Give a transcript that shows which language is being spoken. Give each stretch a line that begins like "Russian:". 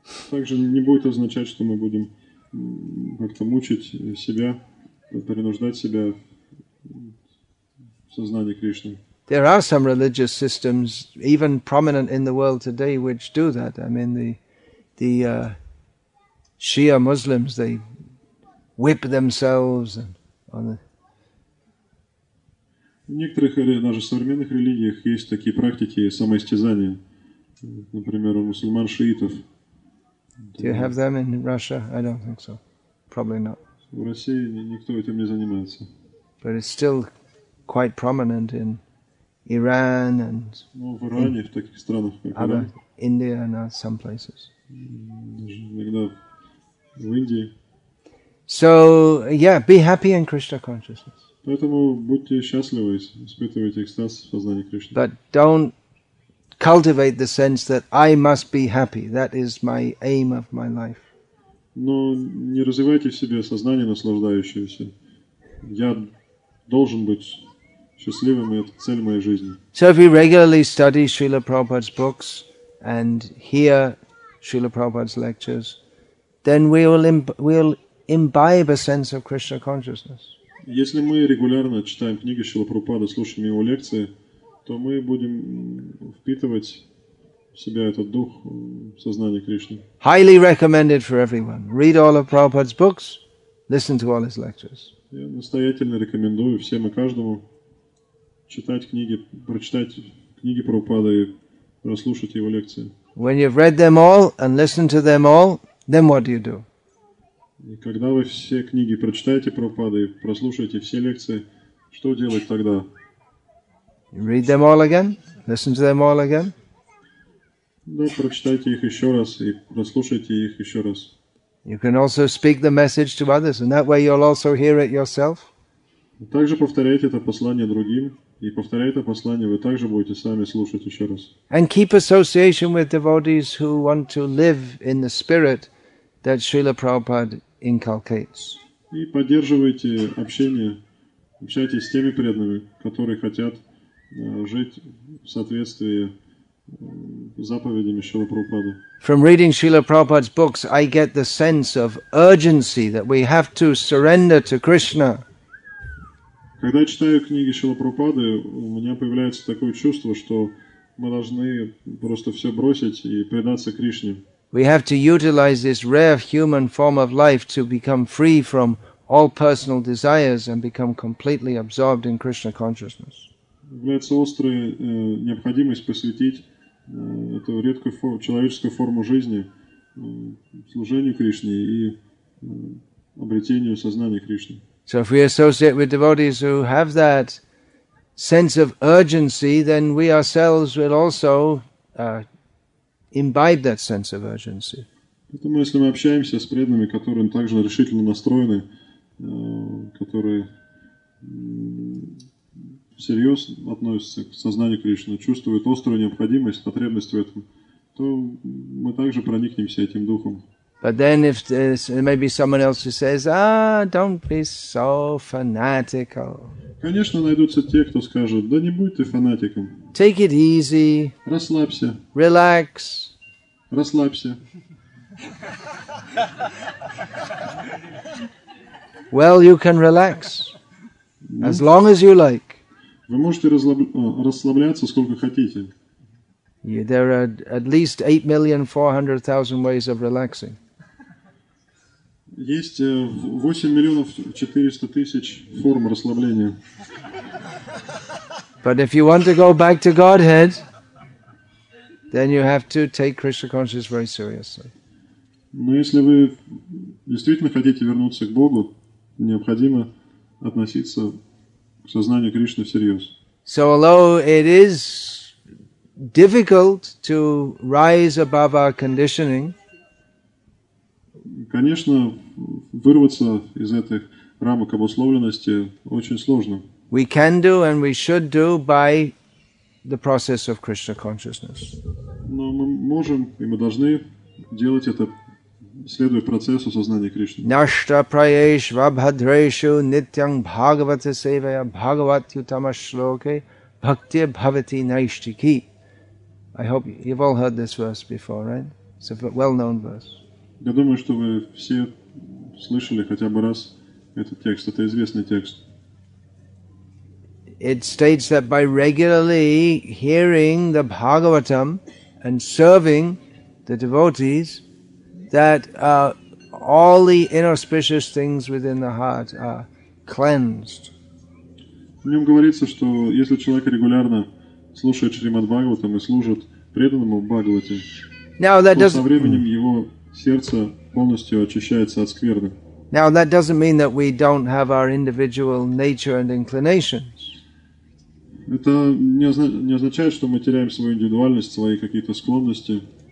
Russian: Также не будет означать, что мы будем как-то мучить себя, принуждать себя в сознании Кришны.
English: There are some religious systems, even prominent in the world today, which do that. I mean, the Shia Muslims, they whip themselves and on the...
Russian: В некоторых даже современных религиях есть такие практики самоистязания. Например, у мусульман шиитов.
English: Do you have them in Russia? I don't think so. Probably not.
Russian: В России никто этим не занимается.
English: But it's still quite prominent in Iran and
Russian: в Иране, в таких странах, как Иран.
English: India and some places.
Russian: Иногда в Индии.
English: So, yeah, be happy in Krishna consciousness.
Russian: Поэтому будьте счастливы, испытывайте экстаз в сознании Кришны.
English: But don't cultivate the sense that I must be happy. That is my aim of my life.
Russian: Но не развивайте в себе сознание наслаждающееся. Я должен быть счастливым, и это цель моей жизни.
English: So if we regularly study Srila Prabhupada's books and hear Srila Prabhupada's lectures, then we will imbibe a sense of Krishna consciousness.
Russian: Если мы регулярно читаем книги Шрилы Прабхупады, слушаем его лекции, то мы будем впитывать в себя этот дух сознания Кришны.
English: Highly recommended for everyone. Read all of Prabhupada's books, listen to all his lectures.
Russian: Я настоятельно рекомендую всем и каждому читать книги, прочитать книги Прабхупады и прослушать его лекции.
English: When you've read them all and listened to them all, then what do you do?
Russian: И когда вы все книги прочитаете Прабхупады и прослушаете все лекции, что делать тогда?
English: You read them all again? Listen to them all again?
Russian: Да, прочитайте их еще раз и прослушайте их еще раз.
English: You can also speak the message to others, and that way you'll also hear it yourself.
Russian: Также повторяйте это послание другим, и повторяя это послание, вы также будете сами слушать еще раз.
English: And keep association with devotees who want to live in the spirit that Srila Prabhupada inculcates.
Russian: И поддерживайте общение, общайтесь с теми преданными, которые хотят жить в соответствии с заповедями Шрилы Прабхупады.
English: From reading Srila Prabhupada's books, I get the sense of urgency that we have to surrender to Krishna.
Russian: Когда я читаю книги Шрилы Прабхупады, у меня появляется такое чувство, что мы должны просто все бросить и предаться Кришне.
English: We have to utilize this rare human form of life to become free from all personal desires and become completely absorbed in Krishna consciousness.
Russian: Является острой необходимость посвятить эту редкую человеческую форму жизни служению Кришне и обретению сознания Кришны.
English: So if we associate with devotees who have that sense of urgency, then we ourselves will also imbibe that sense of urgency.
Russian: Поэтому, если мы общаемся с преданными, которые также решительно настроены, которые всерьез относятся к сознанию Кришны, чувствуют острую необходимость, потребность в этом, то мы также проникнемся этим духом.
English: But then if there may be someone else who says, ah, don't be so fanatical.
Russian: Конечно, найдутся те, кто скажет, да не будь ты фанатиком.
English: Take it easy.
Russian: Расслабься.
English: Relax.
Russian: Расслабься.
English: Well, you can relax. As long as you like.
Russian: Вы можете расслабляться сколько хотите.
English: Yeah, there are at least 8,400,000 ways of relaxing.
Russian: Есть 8,400,000 форм расслабления.
English: But if you want to go back to Godhead, then you have to take Krishna consciousness very seriously.
Russian: Но если вы действительно хотите вернуться к Богу, необходимо относиться к сознанию Кришны всерьез.
English: So although it is difficult to rise above our conditioning,
Russian: конечно, вырваться из этих рамок обусловленности очень сложно.
English: We can do and we should do by the process of Krishna consciousness.
Russian: Но мы можем и мы должны делать это, следуя процессу сознания Кришны.
Sanskrit: Нашта праеш вабхадрешу нитьян бхагавата севая бхагаватютама шлоке бхакти бхавати найштики.
English: I hope you've all heard this verse before, right? It's a well-known verse.
Russian: Я думаю, что вы все слышали хотя бы раз этот текст. Это известный текст.
English: It states that by regularly hearing the Bhagavatam and serving the devotees, that all the inauspicious things within the heart are cleansed.
Russian: В нем говорится, что если человек регулярно слушает Шримад-Бхагаватам и служит преданному Бхагавате, то со временем его сердце полностью очищается от скверны.
English: Now that doesn't mean that we don't have our individual nature and inclinations.
Russian: Это не означает, что мы теряем свою индивидуальность, свои какие-то склонности.